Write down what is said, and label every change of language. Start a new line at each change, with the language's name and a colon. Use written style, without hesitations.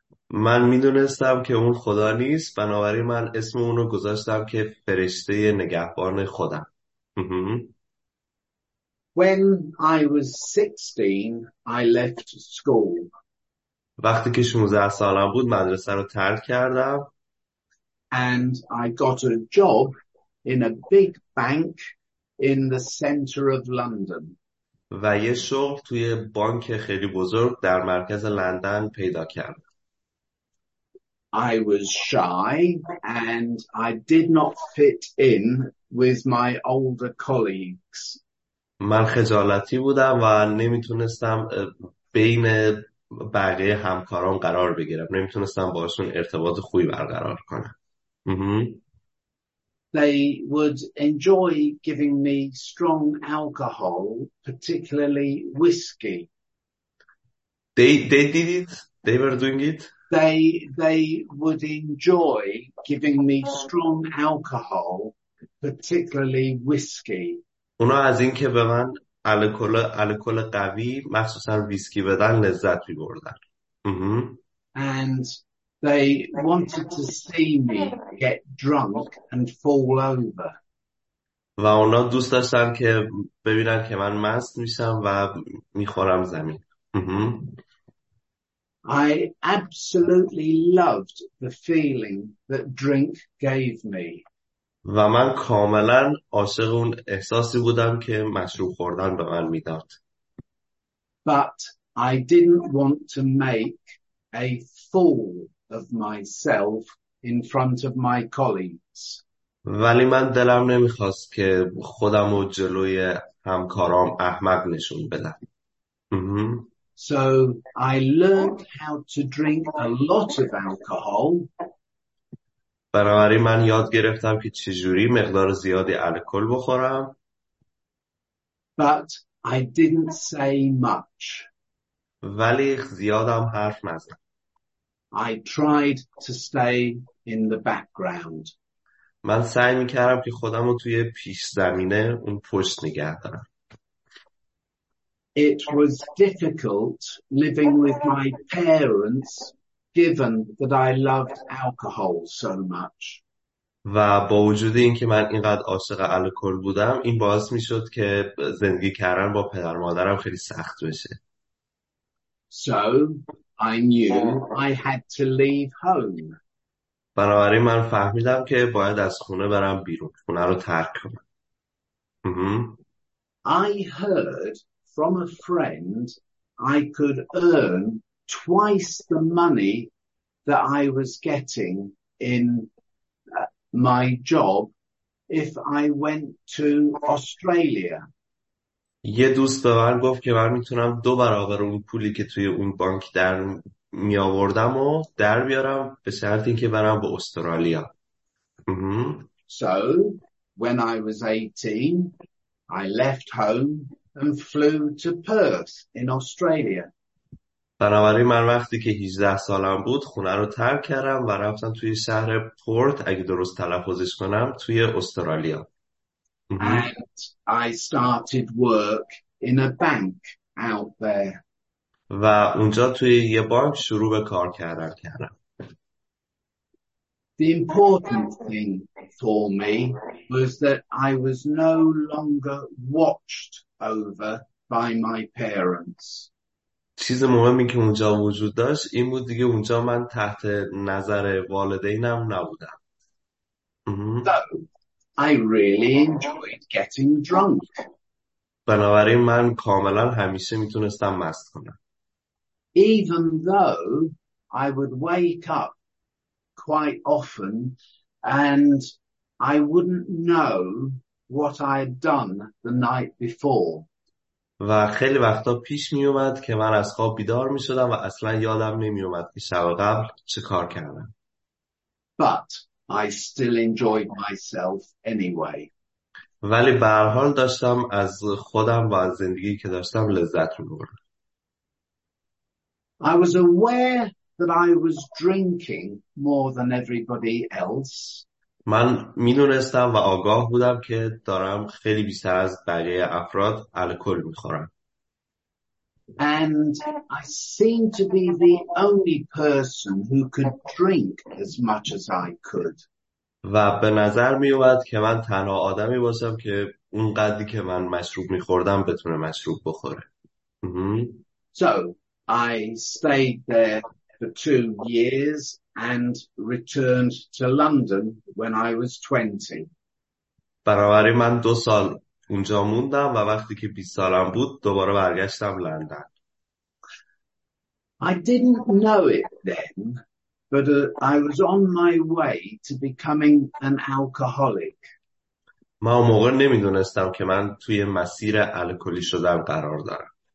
Persian: من میدونستم که اون خدا نیست، بنابراین من اسم اون رو گذاشتم که فرشته نگهبان خودم.
English: When I was 16, I left school.
Persian: وقتی که 16 سالم بود مدرسه رو ترک کردم.
English: And I got a job in a big bank in the center of London.
Persian: و یه شغل توی بانک خیلی بزرگ در مرکز لندن پیدا کردم.
English: I was shy and I did not fit in with my older colleagues.
Persian: من خجالتی بودم و نمیتونستم بین بقیه همکاران قرار بگیرم. نمیتونستم باشون ارتباط خوبی برقرار کنم.
English: They would enjoy giving me strong alcohol, particularly whiskey. They did it. They were doing it. They would enjoy giving me strong alcohol, particularly whiskey.
Persian: اونا از این که به من الکل قوی مخصوصا ویسکی بدن لذت می بردن.
English: And they wanted to see me get drunk and fall over.
Persian: و اونا دوست داشتن که ببینن که من مست میشم و میخورم زمین.
English: I absolutely loved the feeling that drink gave me.
Persian: و من کاملا عاشق اون احساسی بودم که مشروب خوردن به من میداد.
English: But I didn't want to make a fool of myself in front of my colleagues.
Persian: ولی من دلم نمیخواست که خودم رو جلوی همکارام احمق نشون بدم.
English: So I learned how to drink a lot of alcohol.
Persian: بنابراین من یاد گرفتم که چجوری مقدار زیادی الکل بخورم.
English: But I didn't say much.
Persian: ولی زیادم حرف نزدم.
English: I tried to stay in the background.
Persian: من سعی میکردم که خودم رو توی پیش زمینه اون پشت نگه دارم.
English: It was difficult living with my parents given that I loved alcohol so much.
Persian: و با وجود اینکه من اینقدر عاشق الکل بودم، این باعث میشد که زندگی کردن با پدر مادرم خیلی سخت بشه.
English: So I knew I had to leave home.
Persian: بنابراین من فهمیدم که باید از خونه برم بیرون، خونه رو ترک کنم.
English: I heard from a friend I could earn twice the money that I was getting in my job if I went to Australia.
Persian: یه دوست به من گفت که من میتونم دو برابر اون پولی که توی اون بانک در می آوردم و در بیارم به شرط اینکه برم به استرالیا.
English: So when I was 18, I left home and flew to Perth in Australia.
Persian: بنابراین من وقتی که 18 سالم بود خونه رو ترک کردم و رفتم توی شهر پورت، اگه درست تلفظش کنم، توی استرالیا.
English: And I started work in a bank out there.
Persian: و اونجا توی یه بانک شروع به کار کردن کردم.
English: The important thing for me was that I was no longer watched over by my parents.
Persian: چیز مهمی که اونجا وجود داشت این بود دیگه اونجا من تحت نظر والدینم نبودم.
English: So, I really enjoyed getting drunk.
Persian: بنابراین من کاملا همیشه میتونستم مست کنم.
English: Even though I would wake up quite often and I wouldn't know what I had done the night before.
Persian: و خیلی وقتا پیش می اومد که من از خواب بیدار می شدم و اصلا یادم نمی اومد که شب قبل چه کار کردم.
English: But I still enjoyed myself anyway.
Persian: ولی به هر حال داشتم از خودم و از زندگی که داشتم لذت می بردم.
English: I was aware that I was drinking more than everybody else.
Persian: من میدونستم و آگاه بودم که دارم خیلی بیشتر از بقیه افراد الکل میخورم.
English: And I seemed to be the only person who could drink as much as I could.
Persian: و به نظر می اومد که من تنها آدمی باشم که اونقدری که من مشروب می خوردم بتونه مشروب بخوره.
English: So I stayed there for 2 years and returned to London when I was 20.
Persian: بنابراین من 2 سال اونجا موندم و وقتی که 20 سالم بود دوباره برگشتم لندن.
English: I didn't know it then, but I was on my way to becoming an alcoholic.
Persian: من اون موقع نمیدونستم که من توی مسیر الکلی شدن قرار دارم.